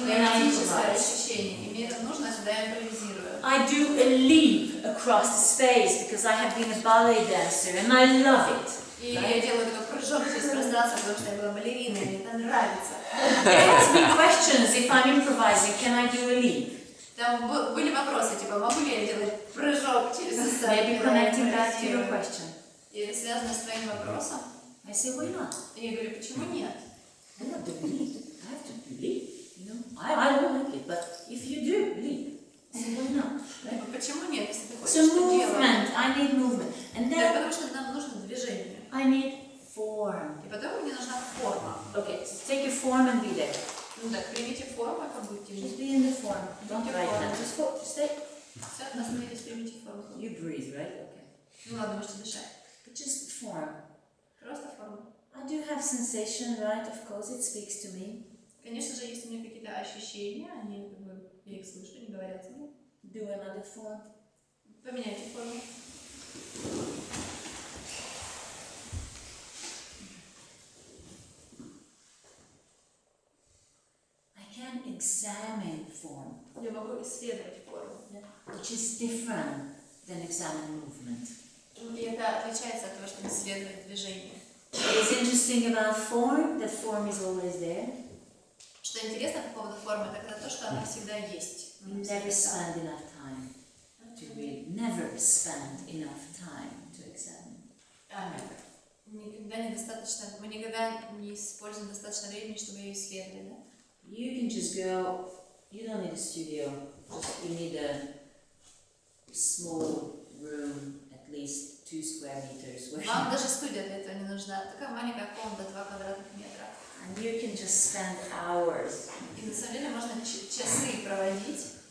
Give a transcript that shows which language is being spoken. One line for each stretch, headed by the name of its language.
English: When I improvise. I do a leap across the space because I have been a ballet dancer and I love it. There have been questions if I'm improvising, can I do a leap?
Russian: Там были вопросы, типа, могу ли я делать прыжок через сцену?
English: Maybe connecting that to your question.
Russian: И это связано с твоим вопросом?
English: I say, why not?
Russian: И я говорю, почему нет?
English: I'm not doing it. I have to believe. No. I don't like it, but if you do, believe.
Russian: Почему нет, если ты хочешь это делать?
English: So movement, I need movement.
Russian: Да, потому что нам нужно движение.
English: I need form.
Russian: И потом мне нужна форма.
English: Okay, so take your form and be there.
Russian: Ну так, примите форму, как будете.
English: Just be in the form. Don't write down. Just go, stay.
Russian: Все, остановились, примите форму.
English: You breathe, right? Okay.
Russian: Ну ладно, можете дышать.
English: But just form.
Russian: Просто форму.
English: I do have sensation, right? Of course, it speaks to me.
Russian: Конечно же, есть у меня какие-то ощущения, они как бы... Я их слышу, они говорят мне.
English: Do another form.
Russian: Поменяйте форму.
English: examine form.
Russian: Я могу исследовать форму.
English: Yeah. Which is different than examine movement.
Russian: И это отличается от того, что исследовать движение.
English: It's interesting about form, that form is always there.
Russian: Что интересно по поводу формы, так это то, что она всегда есть.
English: We never spend enough time to read. Never spend enough time to examine.
Russian: Никогда недостаточно, мы никогда не используем достаточно времени, чтобы ее исследовали, да?
English: You can just go, you don't need a studio, just you need a small room, at least 2 square meters.
Russian: Вам даже студия для этого не нужна, такая маленькая комната, 2 квадратных метра.
English: And you can just spend hours.
Russian: И на самом деле можно часы проводить.